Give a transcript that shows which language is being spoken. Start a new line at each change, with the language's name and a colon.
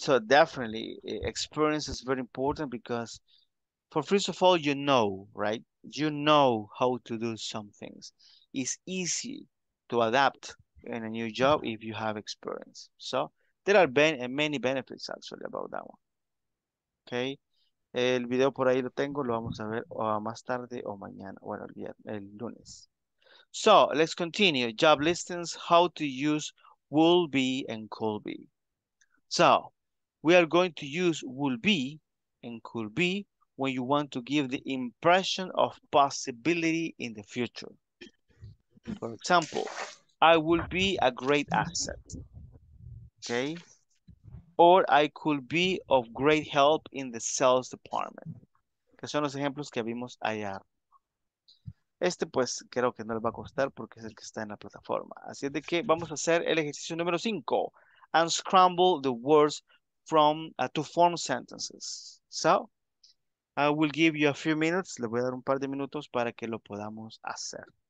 English: So definitely experience is very important because first of all, you know, right? You know how to do some things. It's easy to adapt in a new job if you have experience. So there are many benefits actually about that one.
Spanish: Okay. El video por ahí lo tengo. Lo vamos a ver más tarde o mañana. Bueno, el lunes.
English: So let's continue. Job listings, how to use will be and could be. So, we are going to use will be and could be when you want to give the impression of possibility in the future. For example, I will be a great asset. Okay? Or I could be of great help in the sales department.
Spanish: Que son los ejemplos que vimos allá. Este pues creo que no les va a costar porque es el que está en la plataforma. Así es de que vamos a hacer el ejercicio número 5.
English: And scramble the words from to form sentences. So, I will give you a few minutes.
Spanish: Le voy a dar un par de minutos para que lo podamos hacer.